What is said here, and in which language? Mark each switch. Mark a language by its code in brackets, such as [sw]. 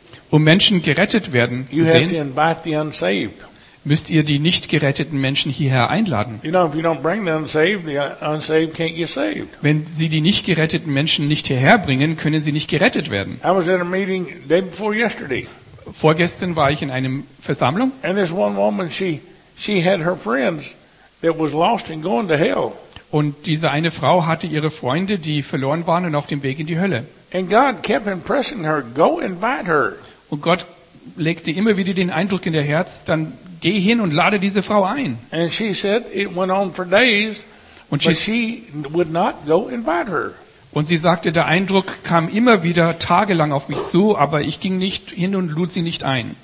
[de] Um Menschen gerettet werden zu sehen, müsst ihr die nicht geretteten Menschen hierher einladen. Wenn sie die nicht geretteten Menschen nicht hierher bringen, können sie nicht gerettet werden. [en] I was at a meeting day before yesterday. [de] Vorgestern war ich in einer Versammlung. [en] And this one woman, she had her friends that was lost and going to hell. [de] Und diese eine Frau hatte ihre Freunde, die verloren waren und auf dem Weg in die Hölle. [en] And God kept impressing her, go invite her. [de] Und Gott legte immer wieder den Eindruck in ihr Herz, dann geh hin und lade diese Frau ein. [en] And she said it went on for days, [de] und sie, [en] but she would not go invite her. [de] Und sie sagte, der Eindruck kam immer wieder tagelang auf mich zu, aber ich ging nicht hin und lud sie nicht ein.